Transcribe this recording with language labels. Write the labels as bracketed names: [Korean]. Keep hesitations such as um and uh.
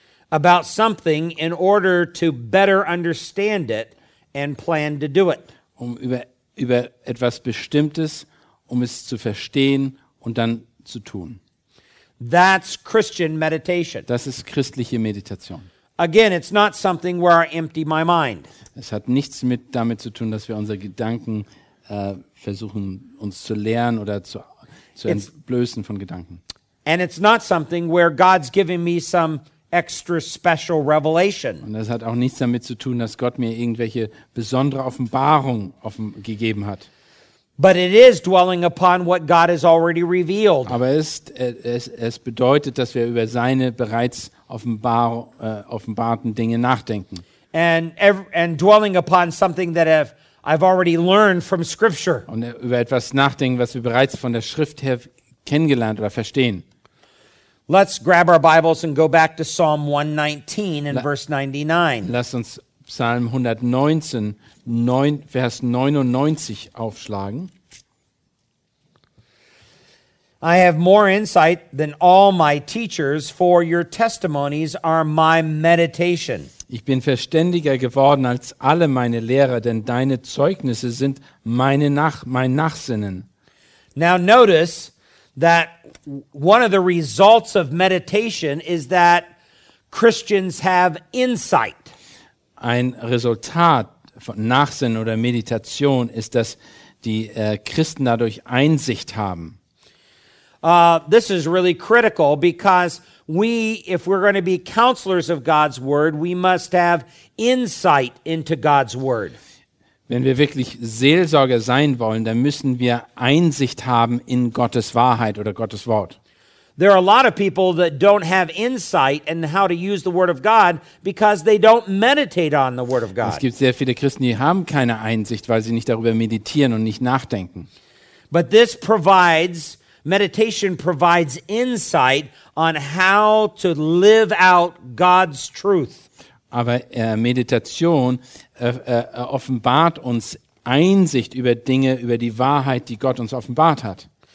[English] About something in order to better understand it and plan to do it. [German] Um über, über etwas Bestimmtes, um es zu verstehen und dann zu tun. [English] That's Christian meditation. [German] Das ist christliche Meditation. [English] Again, it's not something where I empty my mind. [German] Es hat nichts mit damit zu tun, dass wir unsere Gedanken versuchen uns zu lernen oder zu, entblößen von Gedanken. [English] And it's not something where God's giving me some extra special revelation. [German] Und es hat auch nichts damit zu tun, dass Gott mir irgendwelche besondere Offenbarung gegeben hat. [English] But it is dwelling upon what God has already revealed. [German] Aber es bedeutet, dass wir über seine bereits offenbar, äh, uh, offenbarten Dinge nachdenken. [English] And every, and I've, I've [German] Und über etwas nachdenken, was wir bereits von der Schrift her kennengelernt oder verstehen. [English] Let's grab our Bibles and go back to Psalm 119 and La verse 99. [German] Lass uns Psalm 119, 9, Vers 99 aufschlagen. [English] I have more insight than all my teachers, for your testimonies are my meditation. [German] Ich bin verständiger geworden als alle meine Lehrer, denn deine Zeugnisse sind meine Nach mein Nachsinnen. [English] Now notice that one of the results of meditation is that Christians have insight. [German] Ein Resultat von Nachsinn oder Meditation ist, dass die äh, Christen dadurch Einsicht haben. [English] Uh, this is really critical because we, if we're going to be counselors of God's word, we must have insight into God's word. [German] Wenn wir wirklich Seelsorger sein wollen, dann müssen wir Einsicht haben in Gottes Wahrheit oder Gottes Wort. [English] There are a lot of people that don't have insight in how to use the word of God because they don't meditate on the word of God. [German] Es gibt sehr viele Christen, die haben keine Einsicht, weil sie nicht darüber meditieren und nicht nachdenken. [English] But this provides Meditation provides insight on how to live out God's truth. [German] Aber äh, Meditation äh, äh, offenbart uns Einsicht über Dinge, über die Wahrheit, die Gott uns offenbart hat.